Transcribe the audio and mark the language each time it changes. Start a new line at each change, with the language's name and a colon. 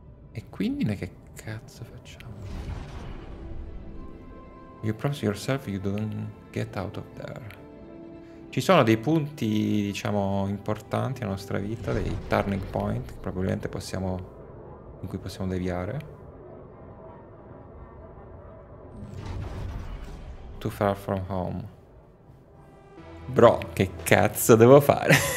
Italian: E quindi ne che cazzo facciamo?
English: You promise yourself you don't get out of there.
Italian: Ci sono dei punti, diciamo, importanti nella nostra vita, dei turning point che probabilmente possiamo, in cui possiamo deviare.
English: Too far from home. Bro,
Italian: che cazzo devo fare?